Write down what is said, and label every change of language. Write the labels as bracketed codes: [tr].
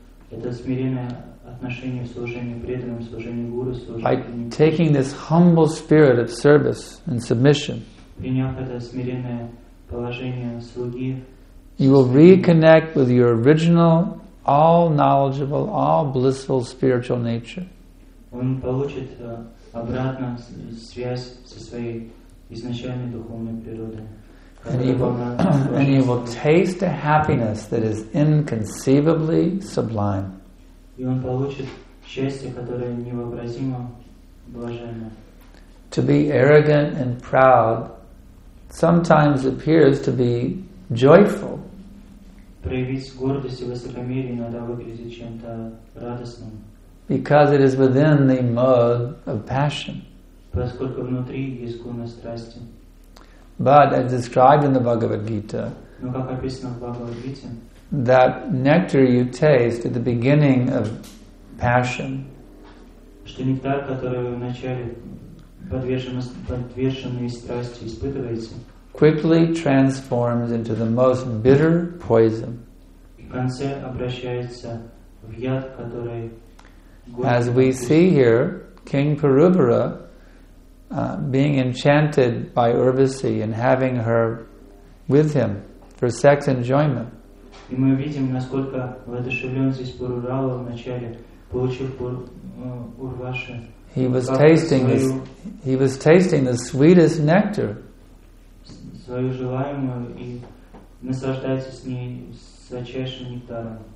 [ru] Это смиренное отношение в служении преданным, в служении гуру, в служении. [en] By taking this humble spirit of service and submission, [ru] приняв это смиренное положение слуги, [en] you will reconnect with your original, all knowledgeable, all blissful spiritual nature. [ru] Он получит обратно связь со своей изначальной духовной природой. [en] and you will taste a happiness that is inconceivably sublime. To be arrogant and proud sometimes appears to be joyful. Because it is within the mode of passion. But as described in the Bhagavad Gita, that nectar you taste at the beginning of passion, [ru] что нектар, который в начале подверженный страсти испытывается, [en] quickly transforms into the most bitter poison. [ru] В конце обращается в яд, который [en] As we see here, King Purubara, being enchanted by Urvasi and having her with him for sex enjoyment. [ru] И мы видим, насколько воодушевлен здесь Пурурала в начале, получив Урваши. [en] He was tasting the sweetest nectar. [ru] Свою желаемую и наслаждается с ней сладчайшим нектаром.